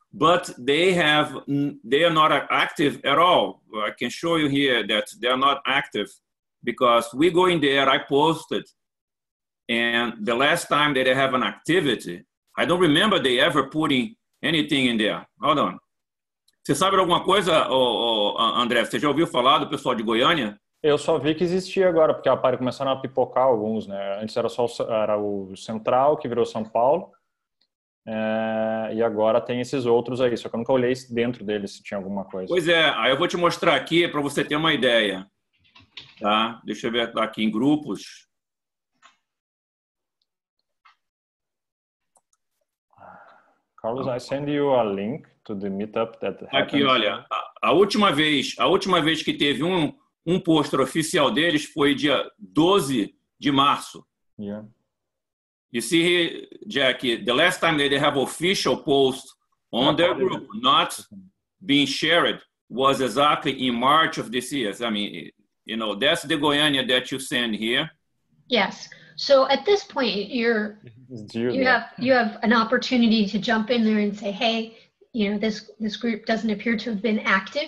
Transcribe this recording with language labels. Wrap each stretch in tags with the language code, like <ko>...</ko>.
<en>But they are not active at all. I can show you here that they are not active because we go in there, I posted, And the last time that I have an activity, I don't remember they ever putting anything in there. Hold on.</en> <pt>Você sabe alguma coisa, André? Você já ouviu falar do pessoal de Goiânia? Eu só vi que existia agora, porque começaram a pipocar alguns, né? Antes era só o Central, que virou São Paulo. E agora tem esses outros aí, só que eu nunca olhei dentro deles se tinha alguma coisa. Pois é, aí eu vou te mostrar aqui para você ter uma ideia. Tá? Deixa eu ver aqui em grupos.</pt> <en>Carlos, I send you a link to the meetup that happens.</en> <pt>Aqui, olha, a última vez que teve um pôster oficial deles foi dia 12 de março.</pt> <en>Yeah. You see, Jack, the last time that they have official post on their group not being shared was exactly in March of this year. I mean, you know, that's the Goiânia that you send here. Yes. So at this point, you have an opportunity to jump in there and say, hey, you know, this group doesn't appear to have been active.</en>